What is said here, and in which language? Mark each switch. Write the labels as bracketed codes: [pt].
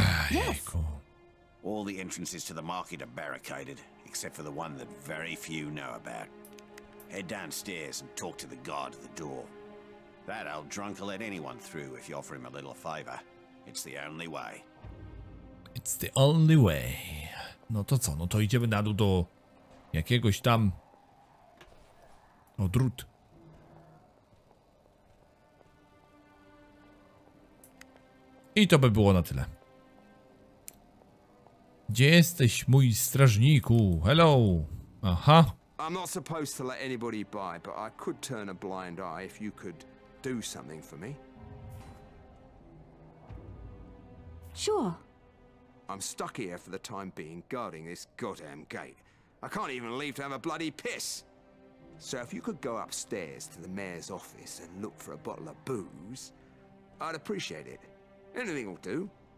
[en] Yes. All the entrances to the market are barricaded, except for the one that very few know about. Head downstairs and talk to the guard at the door. That old drunk will let anyone through if you offer him a little favor. It's the only way. It's the only way. [pl] No to co? No to idziemy na dół do jakiegoś tam odrut. I to by było na tyle. Gdzie jesteś, mój strażniku? [en] Hello. Aha. I'm not supposed to let anybody by, but I could turn a blind eye if you could do something for me. Sure. I'm stuck here for the time being, guarding this goddamn gate. I can't even leave to have a bloody piss. So if you could go upstairs to the mayor's office and look for a bottle of booze, I'd appreciate it. Anything will do.